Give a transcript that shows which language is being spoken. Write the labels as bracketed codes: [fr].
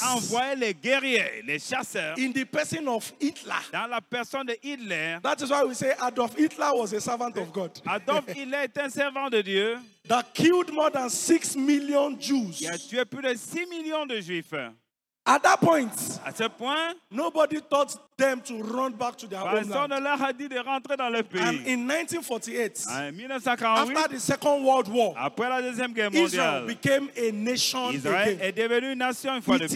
[fr] Dieu a envoyé les guerriers, les chasseurs. [en] In the person of Hitler. [fr] Dans la personne de Hitler. [en] That is why we say Adolf Hitler was a servant of God. [fr] Adolf Hitler était un servant de Dieu. [en] That killed more than 6 million Jews. [fr] Il a tué plus de 6 millions de Juifs. [en] At that point, [fr] à ce point, [en] nobody taught them to run back to their homeland. [fr] Personne ne leur a dit de rentrer dans le pays. [en] And in 1948, [fr] en 1948, [en] after the Second World War, [fr] après la Deuxième Guerre mondiale, [en] Israel became a nation again. [fr] Israël est devenu une nation une fois de plus.